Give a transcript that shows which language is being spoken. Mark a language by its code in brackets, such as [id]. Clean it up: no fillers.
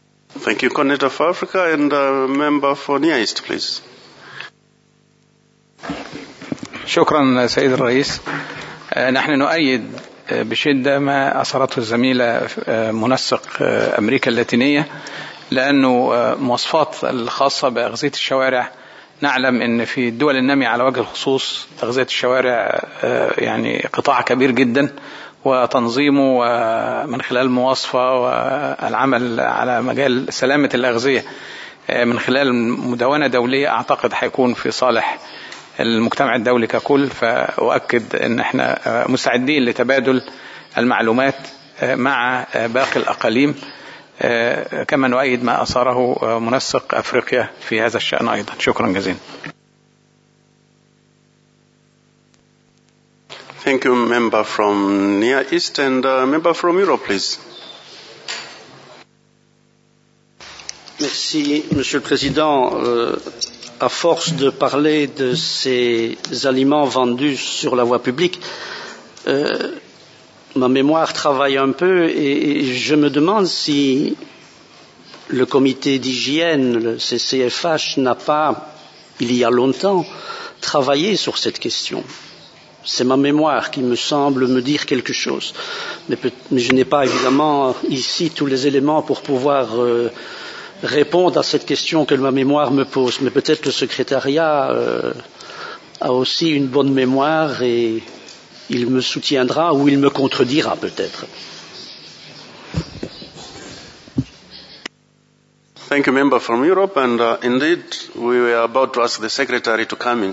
[en] Thank you, Coordinator for Africa, and member for Near East, please. [ar] شكرا سيد الرئيس. نحن نؤيد بشدة ما أصرته الزميلة منسق أمريكا اللاتينية، لأنه مواصفات الخاصة بأغذية الشوارع، نعلم أن في الدول النامية على وجه الخصوص أغذية الشوارع يعني قطاع كبير جدا، وتنظيمه من خلال مواصفة والعمل على مجال سلامة الأغذية من خلال مدونة دولية أعتقد حيكون في صالح المجتمع الدولي ككل. فأؤكد أن احنا مستعدين لتبادل المعلومات مع باقي الأقاليم، كما نؤيد ما أصاره منسق أفريقيا في هذا الشأن أيضا. شكرا جزيلا. [en] Thank you, member from Near East, and member from Europe, please. [fr] Merci, Monsieur le Président. À force de parler de ces aliments vendus sur la voie publique, ma mémoire travaille un peu et je me demande si le comité d'hygiène, le CCFH, n'a pas, il y a longtemps, travaillé sur cette question. C'est ma mémoire qui me semble me dire quelque chose. Mais je n'ai pas évidemment ici tous les éléments pour pouvoir répondre à cette question que ma mémoire me pose. Mais peut-être le secrétariat a aussi une bonne mémoire et il me soutiendra ou il me contredira peut-être. [en] Thank you, member from Europe, and indeed we were about to ask the secretary to come in.